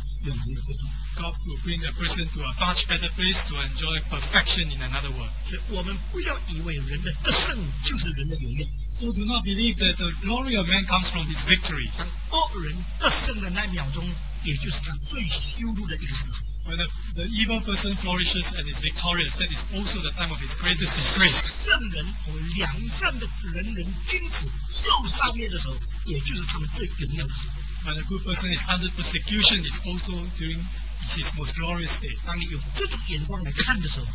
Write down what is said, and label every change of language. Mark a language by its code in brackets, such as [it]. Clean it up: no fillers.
[zh] 神就把他带到更完美的地步，让他免受许多世界的苦难，享受那更完美永恒的国度。God [en] will bring a person to a much better place to enjoy perfection in another world. [zh] 所以我们不要以为人的得胜就是人的勇力。So [en] do not believe that the glory of man comes from his victory. [zh] 当恶人得胜的那秒钟，也就是他最羞辱的一个时候。 [en] When the evil person flourishes and is victorious, that is also the time of his greatest disgrace. [zh] 圣人和良善的人人君子受杀灭的时候，也就是他们最荣耀的时候。When [en] a good person is under persecution, it's also during his most glorious day. [zh] 当你用这种眼光来看的时候，